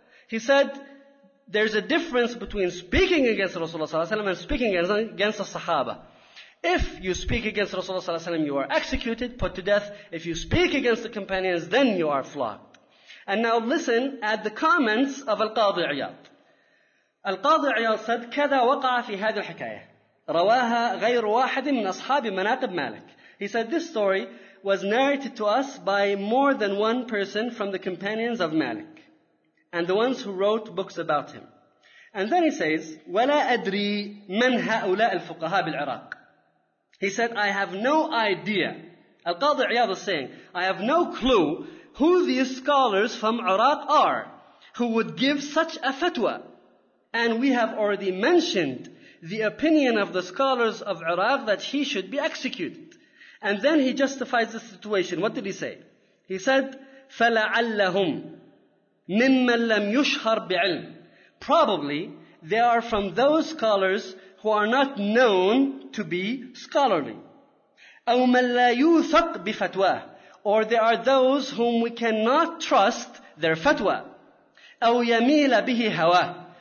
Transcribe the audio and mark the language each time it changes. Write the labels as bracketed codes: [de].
[en] He said, there's a difference between speaking against Rasulullah sallallahu alaihi wasallam and speaking against the Sahaba. If you speak against Rasulullah sallallahu alaihi wasallam, you are executed, put to death. If you speak against the companions, then you are flogged. And now listen at the comments of Al-Qadhi Iyad. Al-Qadhi Iyad said, [ar] كذا وقع في هذه الحكاية رواها غير واحد من أصحاب مناقب مالك. [en] He said, this story was narrated to us by more than one person from the companions of Malik and the ones who wrote books about him. And then he says, [ar] ولا أدري من هؤلاء الفقهاء بالعراق. [en] He said, I have no idea. Al-Qadhi Iyad was saying, I have no clue who these scholars from Iraq are who would give such a fatwa. And we have already mentioned the opinion of the scholars of Iraq that he should be executed. And then he justifies the situation. What did he say? He said, [ar] فَلَعَلَّهُمْ مِمَّنْ لَمْ يُشْهَرْ بِعِلْمِ. [en] Probably, they are from those scholars who are not known to be scholarly. [ar] أَوْ مَنْ لَا يُوثَقْ بِفَتْوَاهِ. [en] Or they are those whom we cannot trust their fatwa. [ar] أَوْ يَمِيلَ بِهِ هَوَاهِ.